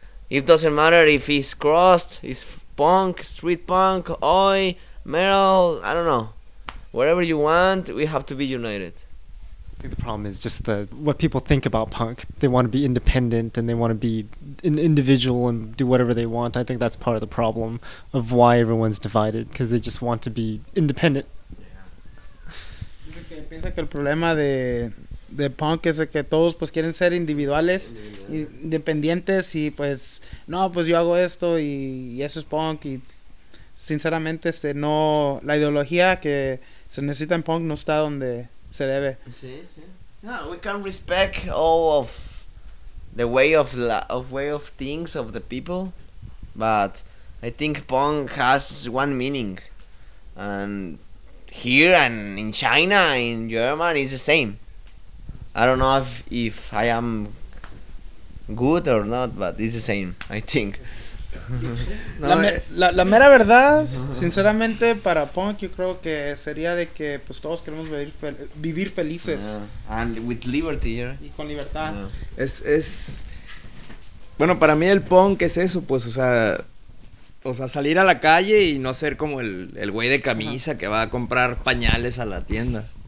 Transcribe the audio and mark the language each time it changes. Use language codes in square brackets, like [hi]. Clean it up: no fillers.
[en] It doesn't matter if it's crust, it's punk, street punk, oi, metal, I don't know. Whatever you want, we have to be united. think the problem is just the what people think about punk. They want to be independent and they want to be an individual and do whatever they want. I think that's part of the problem of why everyone's divided, because they just want to be independent. [es] Piensa que el problema de punk es que todos pues quieren ser individuales, independientes, y pues no, pues yo hago esto y eso es punk. Y sinceramente no, la ideología que se necesita en punk no está donde se debe. Sí, sí. [en] No, we can respect all of the way of things of the people, but I think punk has one meaning, and here and in China, in Germany, it's the same. I don't know if I am good or not, but it's the same, I think. [es] No, la mera verdad, sinceramente, para punk, yo creo que sería de que pues todos queremos vivir felices. [en] Yeah. And with liberty, right? [es] Y con libertad. [en] Yeah. [es] Es bueno, para mí el punk es eso, pues, o sea, salir a la calle y no ser como el güey de camisa que va a comprar pañales a la tienda.